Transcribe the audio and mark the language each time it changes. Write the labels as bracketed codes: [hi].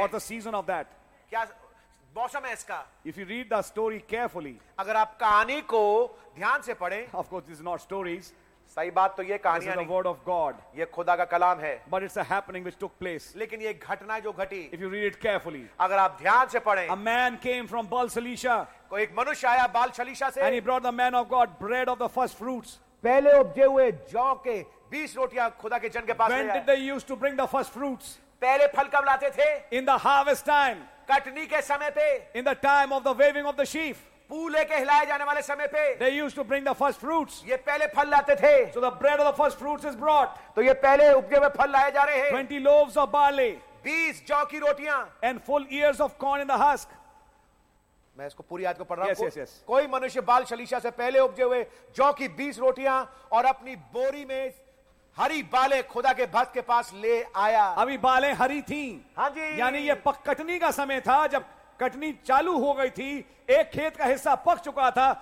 [en] What's the season of that? [hi] क्या मौसम है इसका? [en] If you read the story carefully, [hi] अगर आप कहानी को ध्यान से पढ़ें, [en] of course this is not stories. [hi] सही बात तो ये कहानी है. [en] The word of God. [hi] ये खुदा का कलाम है. [en] But it's a happening which took place. [hi] लेकिन ये घटना जो घटी. [en] If you read it carefully. [hi] अगर आप ध्यान से पढ़ें. [en] A man came from Baal Shalisha. [hi] को एक मनुष्य आया बाल शलीशा से. [en] And he brought the man of God bread of the first fruits. [hi] पहले उपजे हुए जौ के 20 रोटियां खुदा के जन के पास. [en] When did they used to bring the first fruits? [hi] पहले फल कब लाते थे? [en] In the harvest time. [hi] Katni के समय पे. [en] In the time of the waving of the sheaf. [hi] पूले के हिलाए जाने वाले समय पे. [en] They used to bring the first fruits. [hi] ये पहले फल लाते थे. [en] So the bread of the first fruits is brought. [hi] तो ये पहले उपजे हुए फल लाए जा रहे हैं. [en] 20 loaves of barley. [hi] 20 जौ की रोटियां. [en] And full ears of corn in the husk. [hi] मैं इसको पूरी याद को पढ़ रहा हूँ. [en] Yes. [hi] कोई मनुष्य बाल शलीशा से पहले उपजे हुए जौ की 20 रोटियां और अपनी बोरी में हरी बाले खुदा के भक्त के पास ले आया. अभी बाले हरी थी. हाँ जी. यानी ये कटनी का समय था. जब कटनी चालू हो गई थी एक खेत का हिस्सा पक चुका था.